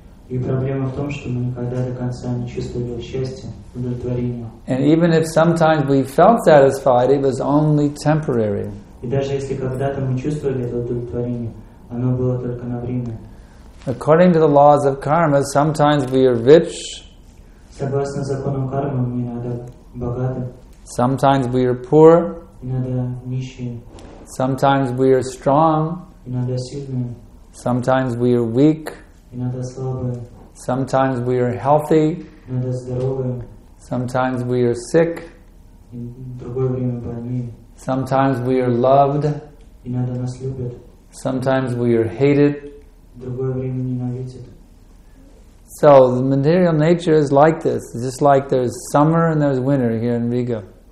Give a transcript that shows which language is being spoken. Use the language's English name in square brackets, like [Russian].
[English] And even if sometimes we felt satisfied, it was only temporary. According to the laws of karma, sometimes we are rich. [Russian] Согласно законам кармы, мы иногда богаты. [English] Sometimes we are poor. [Russian] Иногда нищие. [English] Sometimes we are strong. [Russian] Иногда сильные. [English] Sometimes we are weak. [Russian] Иногда слабые. [English] Sometimes we are healthy. [Russian] Иногда здоровые. [English] Sometimes we are sick. [Russian] И другое время больные. [English] Сometimes we are loved. [Russian] Иногда нас любят. [English] Sometimes we are hated. [Russian] Другое время ненавидят. [English] So the material nature is like this. It's just like there's summer and there's winter here in Riga.